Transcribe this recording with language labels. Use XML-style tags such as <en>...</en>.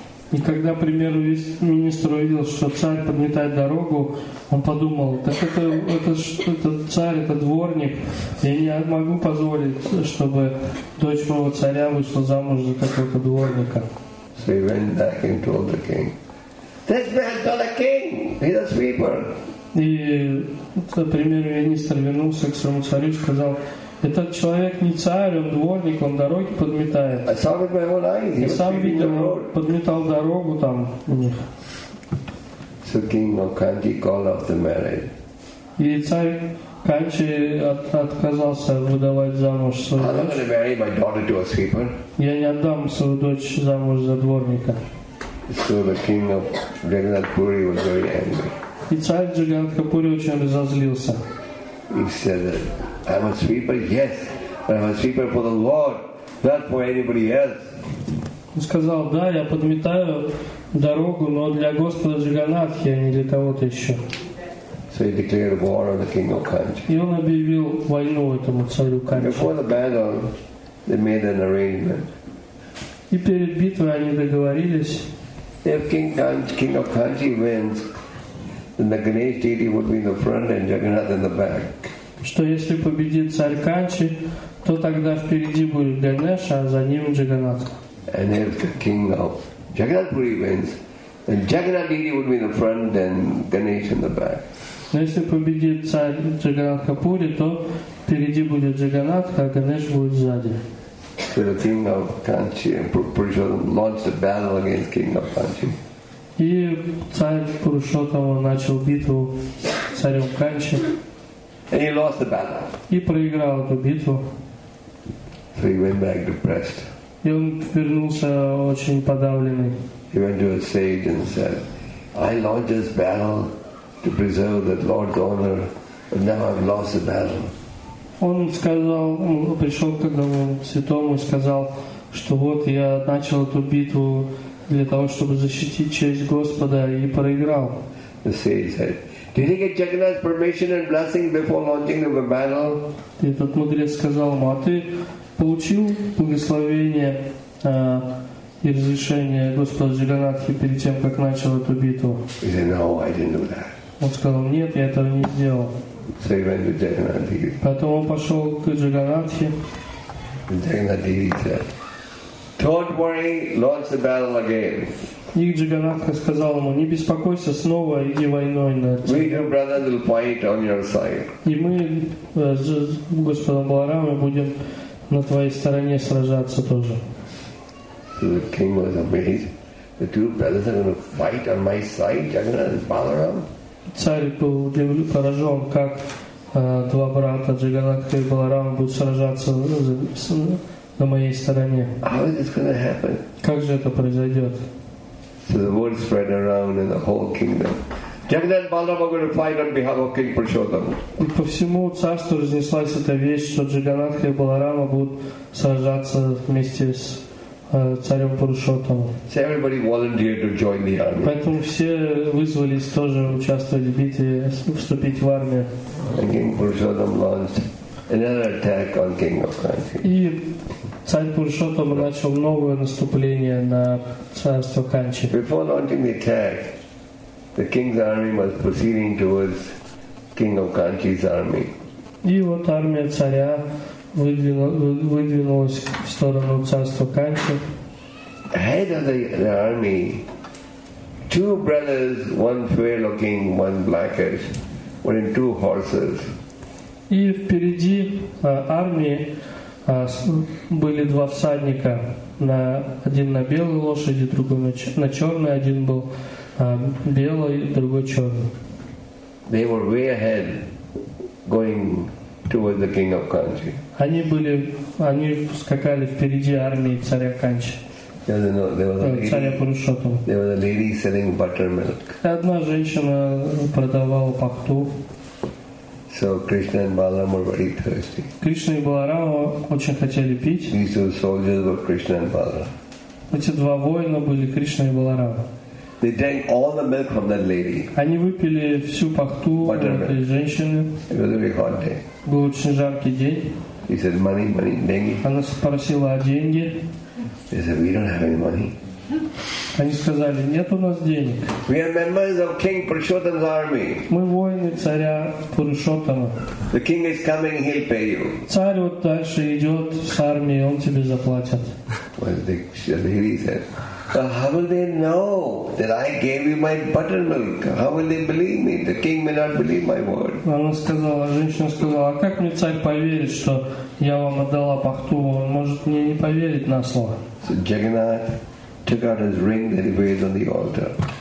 <ru>И когда премьер-министр увидел, что царь подметает дорогу, он подумал, так это царь, это дворник, я не могу позволить, чтобы дочь моего царя вышла замуж за какого-то дворника.</ru> <en>So he went back and told the king, "This man's not a king, he's a sweeper."</en> <ru>И премьер-министр вернулся к своему царю и сказал, этот человек не царь, он дворник, он дороги подметает.</ru> <en>I saw with my own eyes. He</en> <ru>и сам видел, подметал дорогу там у них.</ru> <en>So King of Kanchi called off the marriage.</en> <ru>И царь Канчи отказался выдавать замуж свою дочь.</ru> <en>I'm not going to marry my daughter to a sweeper.</en> <ru>Я не отдам свою дочь замуж за дворника.</ru> <en>So the king of Jagannath Puri was very angry.</en> <ru>И царь Джаганнатха Пури очень разозлился.</ru> <en>He said, I'm a sweeper, yes, but I'm a sweeper for the Lord, not for anybody else.</en> <ru>Он сказал, да, я подметаю дорогу, но для Господа Джаганатхи, а не для кого-то еще.</ru> <en>So he declared war on the king of Kanchi.</en> <ru>И он объявил войну этому царю Канчи.</ru> <en>Before the battle, they made an arrangement.</en> <ru>И перед битвой они договорились.</ru> <en>If king of Kanchi wins, then the Ganesh deity would be in the front and Jagannath in the back.</en> <ru>Что если победит царь Канчи, то тогда впереди будет Ганеш, а за ним Джаганат.</ru> <en>And if the king of Jagannath Puri wins, then Jagannath deity would be in the front and Ganesh in the back.</en> <ru>Но если победит царь Джаганатха Пури, то впереди будет Джаганатха, а Ганеш будет сзади.</ru> <en>So the king of Kanchi and Purushottam launched a battle against king of Kanchi.</en> <ru>И царь Пурушоттама начал битву с царем Канчи.</ru> <en>And he lost the battle.</en> <ru>И проиграл эту битву.</ru> <en>So he went back depressed.</en> <ru>И он вернулся очень подавленный.</ru> <en>He went to a sage and said, I launched this battle to preserve the Lord's honor, but now I've lost the battle.</en> <ru>Он сказал, пришел к одному святому и сказал, что вот я начал эту битву для того, чтобы защитить честь Господа, и проиграл.</ru> <en>The sage said, did he get Jagannath's permission and blessing before launching the battle?</en> <ru>И тот мудрец сказал ему, а ты получил благословение и разрешение Господа Джаганатхи перед тем, как начал эту битву?</ru> <en>He said, no, I didn't do that.</en> <ru>Он сказал, нет, я этого не сделал.</ru> <en>So he went to Jagannath.</en> <ru>Потом он пошел к Джаганатхе.</ru> <en>Джаганатхи said, don't worry, launch the battle again.</en> <ru>И Джаганатха сказал ему, не беспокойся, снова иди войной на тебя.</ru> <en>We, your brothers, will fight on your side.</en> <ru>И мы с Господом Баларамой будем на твоей стороне сражаться тоже.</ru> <en>So the king was amazed. The two brothers are going to fight on my side, Jagannath and Balaram.</en> <ru>Царь был поражен, как два брата Джаганатха и Баларама будут сражаться на моей стороне.</ru> <en>How is this going to happen?</en> <ru>Как же это произойдет?</ru> <en>So the word spread around in the whole kingdom. Jagannath and Balaram are going to fight on behalf of King Purushottam.</en> <ru>И по всему царству разнеслась эта вещь, что Джаганатха и Баларама будут сражаться вместе с царем Пурушоттам.</ru> <en>So everybody volunteered to join the army.</en> <ru>Поэтому все вызвались тоже участвовать в битве, вступить в армию.</ru> <en>And King Purushottam launched another attack on King of Kanchi.</en> <ru>И царь Пурушоттам начал новое наступление на царство Канчи.</ru> <en>Before launching the attack, the king's army was proceeding towards King of Kanchi's army.</en> <ru>И вот армия царя выдвинулась в сторону царства Канчи.</ru> <en>Ahead of the army, two brothers, one fair-looking, one blackish, were in two horses.</en> <ru>И впереди армии были два всадника. Один на белой лошади, другой на черной. Один был белый, другой черный.</ru> <en>They were way ahead, going towards the king of Kanchi.</en> <ru>Они скакали впереди армии царя Канчи. Царя Пурушоттам.</ru> <en>There was a lady selling buttermilk.</en> <ru>Одна женщина продавала пахту.</ru> <en>So Krishna and Balaram were very thirsty.</en> <ru>Кришна и Баларама очень хотели пить.</ru> <en>These two soldiers were Krishna and Balaram.</en> <ru>Эти два воина были Кришна и Баларама.</ru> <en>They drank all the milk from that lady.</en> <ru>Они выпили всю пахту этой женщины.</ru> <en>It was a very hot day.</en> <ru>Был очень жаркий день.</ru> <en>He said, money, money,</en> <ru>деньги. Она спросила о деньги.</ru> <en>They said, we don't have any money.</en> <ru>Они сказали, нет у нас денег.</ru> <en>We are members of King Purushottam's army.</en> <ru>Мы воины царя Пурушоттама.</ru> <en>The king is coming, he'll pay you.</en> <ru>Царь вот дальше идет с армией, он тебе заплатит.</ru> <en>Well, the lady said, how will they know that I gave you my buttermilk? How will they believe me? The king may not believe my word.</en> <ru>Она сказала, женщина сказала, а как мне царь поверит, что я вам отдала пахту? Он может мне не поверить на слово.</ru> <en>So Jagannath took out his ring that he wears on the altar.</en>